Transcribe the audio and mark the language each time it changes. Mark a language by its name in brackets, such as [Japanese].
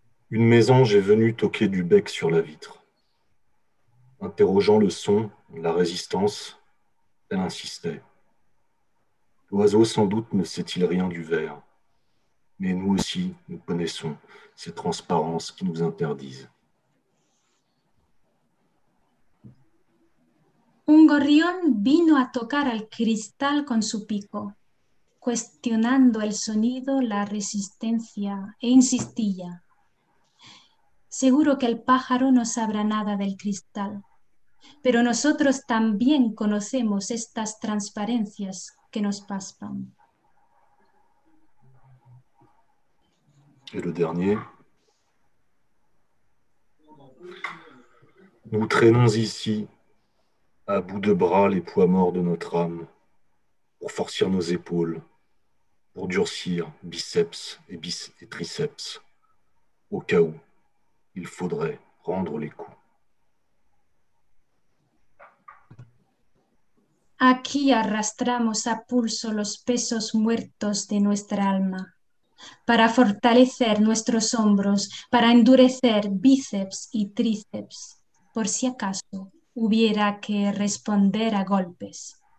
[French] Une maison, j'ai venu toquer du bec sur la vitre, interrogeant le son, la résistance, elle insistait. L'oiseau, sans doute, ne sait-il rien du verre, mais nous aussi, nous connaissons ces transparences qui nous interdisent. [Spanish] Un gorrión vino a tocar al cristal con su pico, cuestionando el sonido, la resistencia e insistía. Seguro que el pájaro no sabrá nada del cristal, pero nosotros también conocemos estas transparencias que nos paspan. Y el dernier. [French] Nous traînons ici à bout de bras les poids morts de notre âme, pour forcir nos épaules, pour durcir biceps et triceps, au cas où il faudrait rendre les coups. [Spanish] Aquí arrastramos a pulso los pesos muertos de nuestra alma, para fortalecer nuestros hombros, para endurecer bíceps y tríceps, por si acaso hubiera que responder a golpes.